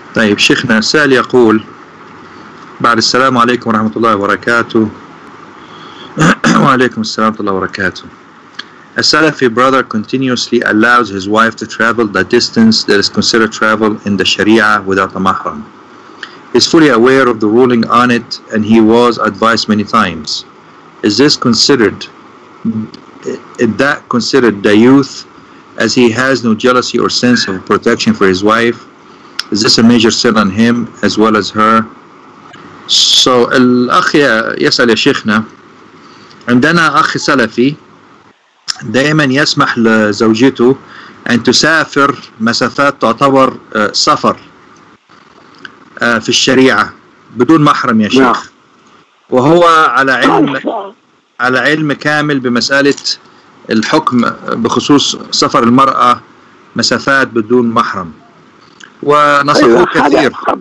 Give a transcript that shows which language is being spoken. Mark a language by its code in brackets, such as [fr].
[ar] طيب شيخنا سأل يقول بعد السلام عليكم ورحمة الله وبركاته وعليكم السلام ورحمة الله وبركاته. [en] A Salafi brother continuously allows his wife to travel the distance that is considered travel in the Sharia without a mahram. He is fully aware of the ruling on it and he was advised many times. Is this considered, is that considered the youth as he has no jealousy or sense of protection for his wife? Is this a major sin on him as well as her? [ar] So, الأخ يسأل يا شيخنا عندنا أخ سلفي دائما يسمح لزوجته أن تسافر مسافات تعتبر سفر في الشريعة بدون محرم يا شيخ وهو على علم على علم كامل بمسألة الحكم بخصوص سفر المرأة مسافات بدون محرم ونصحه كثير